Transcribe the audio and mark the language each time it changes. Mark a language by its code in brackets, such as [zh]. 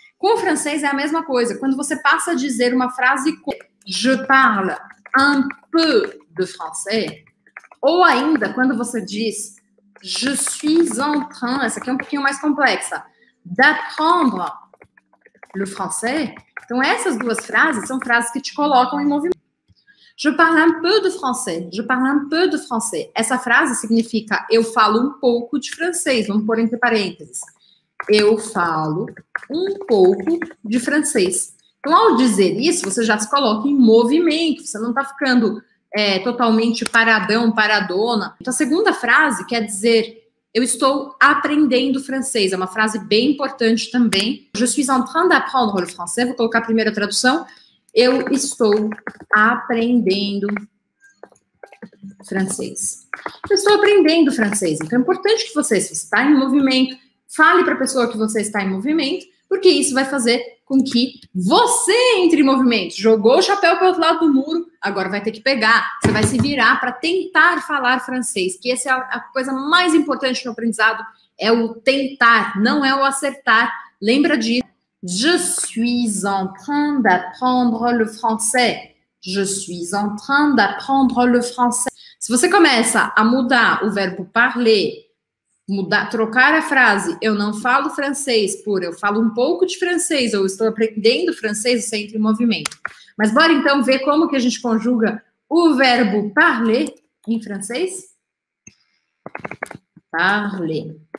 [pt] Com o francês é a mesma coisa. Quando você passa a dizer uma frase com [fr] je parle un peu de français, [pt] ou ainda quando você diz [fr] je suis en train, [pt] essa aqui é um pouquinho mais complexa, [fr] d'apprendre le français. [pt] Então essas duas frases são frases que te colocam em movimento. [fr] Je parle un peu de français. Je parle un peu de français. [pt] Essa frase significa eu falo um pouco de francês. Vamos pôr entre parênteses. Eu falo um pouco de francês. Então, ao dizer isso, você já se coloca em movimento. Você não está ficando totalmente paradão, paradona. Então, a segunda frase quer dizer eu estou aprendendo francês. É uma frase bem importante também. [fr] Je suis en train d'apprendre le français. [pt] Vou colocar a primeira tradução. Eu estou aprendendo francês. Eu estou aprendendo francês. Então, é importante que você, se você está em movimento, fale para a pessoa que você está em movimento, porque isso vai fazer com que você entre em movimento. Jogou o chapéu para o outro lado do muro, agora vai ter que pegar. Você vai se virar para tentar falar francês, que essa é a coisa mais importante no aprendizado, é o tentar, não é o acertar. Lembra disso. [fr] Je suis en train d'apprendre le français. Je suis en train d'apprendre le français. [pt] Se você começa a mudar o verbo parler, trocar a frase eu não falo francês por eu falo um pouco de francês ou estou aprendendo francês, você entra em movimento. Mas bora então ver como que a gente conjuga o verbo parler em francês. Parler.